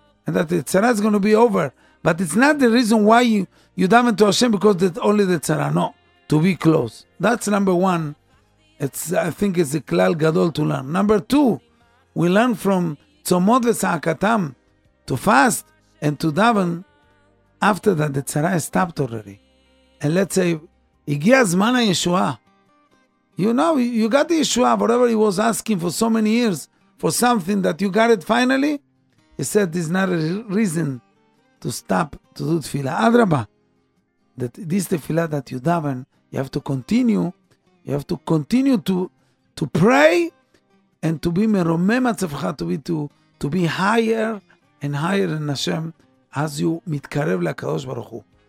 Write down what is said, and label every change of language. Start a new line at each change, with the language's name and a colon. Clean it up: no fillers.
English: And that the tzara is going to be over. But it's not the reason why you daven to Hashem because that only the tzara. No, to be close. That's number one. I think it's a klal gadol to learn. Number two, we learn from tzomot v'sa'akatam to fast and to daven after that the tzara is stopped already. And let's say,
Hebrew: הגיע זמן הישועה.
English: You know, you got the Yeshua, whatever he was asking for so many years, for something that you got it finally. He said, this is not a reason to stop to do tefillah. Adrabah, that this tefillah that you daven, you have to continue. You have to continue to pray and to be merome matzavcha, to be higher and higher in Hashem as you mitkarev l'Kadosh Baruch Hu.